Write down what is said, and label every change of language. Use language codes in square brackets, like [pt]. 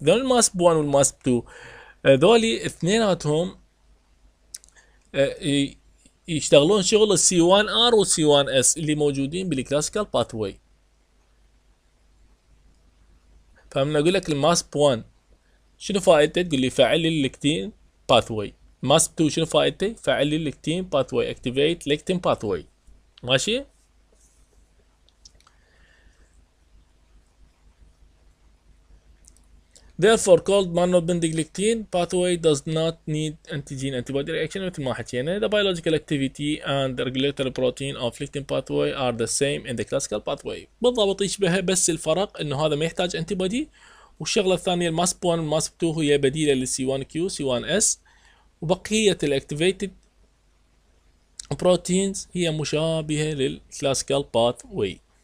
[ar] ذول الماسب 1 والماسب 2 ذولي اثنيناتهم يشتغلون شغل السي 1 ار والسي 1 اس اللي موجودين بالكلاسيكال باث واي. فمن اقول لك الماسب 1 شنو فائدته؟ تقول لي فعل اللكتين باث واي. ماسب 2 شنو فائدته؟ فعل لي اللكتين باث واي، [en] Activate lectin pathway. [ar] ماشي؟ [en] Therefore called mannose-binding lectin pathway does not need antigen antibody reaction [ar] مثل ما حكينا. [en] The biological activity and the regulatory protein of lectin pathway are the same in the classical pathway. [ar] بالضبط يشبه بس الفرق انه هذا ما يحتاج antibody. والشغله الثانيه الماسب 1 والماسب 2 هي بديله للسي 1 كيو سي 1 اس. وبقية الاكتيفيتد بروتينز هي مشابهة للكلاسيكال باث واي.